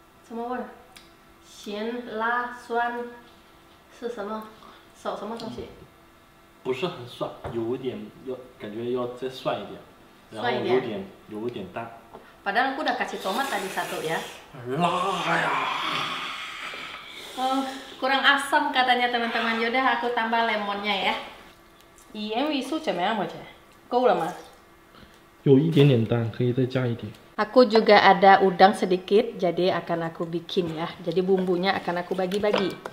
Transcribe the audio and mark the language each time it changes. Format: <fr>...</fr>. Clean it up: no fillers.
<zh>什么味儿？咸、辣、酸，是什么？少什么东西？不是很酸，有点，要感觉要再酸一点，然后有点淡。</zh> <id>Padahal aku udah kasih tomat tadi satu ya.</id> <zh>辣呀！嗯，</zh> <id>kurang asam katanya teman-teman. Yaudah aku tambah lemonnya ya.</id> <zh>EMV数怎么样，莫姐？够了吗？有一点点淡，可以再加一点。</zh> <id>Aku juga ada udang sedikit, jadi akan aku bikin ya. Jadi bumbunya akan aku bagi-bagi.</id>